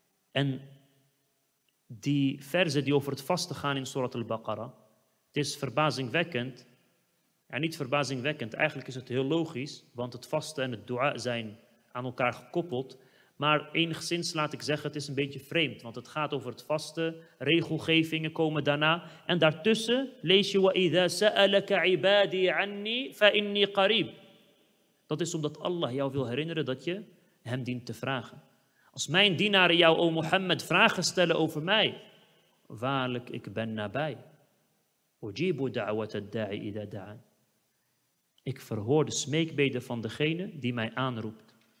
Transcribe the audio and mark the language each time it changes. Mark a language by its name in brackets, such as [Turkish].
[Dutch] En die verse die over het vasten gaan in Surat al-Baqarah, het is verbazingwekkend. En niet verbazingwekkend, eigenlijk is het heel logisch, want het vasten en het dua zijn aan elkaar gekoppeld. Maar enigszins laat ik zeggen, het is een beetje vreemd. Want het gaat over het vaste, regelgevingen komen daarna. En daartussen lees je, [Arabic] وَإِذَا سَأَلَكَ عِبَادِي عَنِّي فَإِنِّي قَرِيب. [Dutch] Dat is omdat Allah jou wil herinneren dat je hem dient te vragen. Als mijn dienaren jou, o Mohammed, vragen stellen over mij, waarlijk, ik ben nabij. [Arabic] أُجِيبُ دَعْوَةَ الدَّاعِ إِذَا دَعَان. [Dutch] Ik verhoor de smeekbeden van degene die mij aanroept.